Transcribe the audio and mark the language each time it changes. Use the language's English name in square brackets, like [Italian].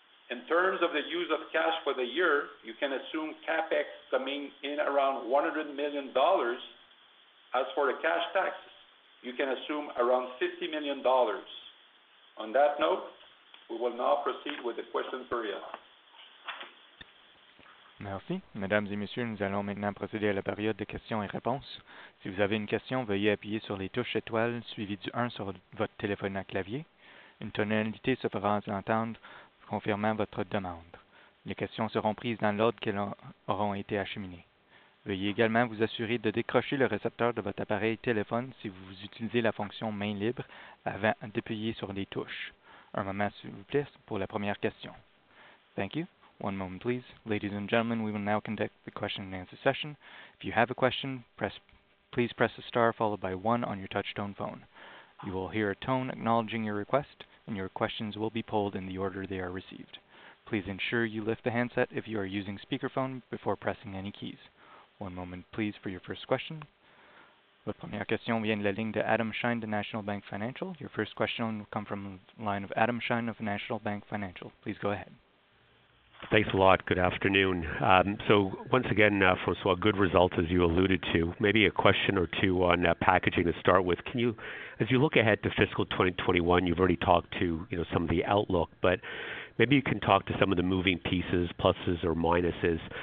[English] In terms of the use of cash for the year, you can assume CapEx coming in around $100 million. As for the cash taxes, you can assume around $50 million. On that note, we will now proceed with the question period. [French] Merci. Mesdames et messieurs, nous allons maintenant procéder à la période de questions et réponses. Si vous avez une question, veuillez appuyer sur les touches étoiles suivies du 1 sur votre téléphone à clavier. Une tonalité se fera entendre, confirmant votre demande. Les questions seront prises dans l'ordre qu'elles auront été acheminées. Veuillez également vous assurer de décrocher le récepteur de votre appareil téléphone si vous utilisez la fonction « main libre » avant d'appuyer sur les touches. Un moment, s'il vous plaît, pour la première question. [English] Thank you. One moment, please. Ladies and gentlemen, we will now conduct the question and answer session. If you have a question, please press the star followed by one on your touchtone phone. You will hear a tone acknowledging your request, and your questions will be polled in the order they are received. Please ensure you lift the handset if you are using speakerphone before pressing any keys. One moment, please, for your first question. [French] Votre première question vient de la ligne de Adam Shine de National Bank Financial. [English] Your first question will come from the line of Adam Shine of National Bank Financial. Please go ahead. Thanks a lot. Good afternoon. So once again, Francois, good results, as you alluded to. Maybe a question or two on packaging to start with. Can you, as you look ahead to fiscal 2021, you've already talked to, you know, some of the outlook, but maybe you can talk to some of the moving pieces, pluses or minuses.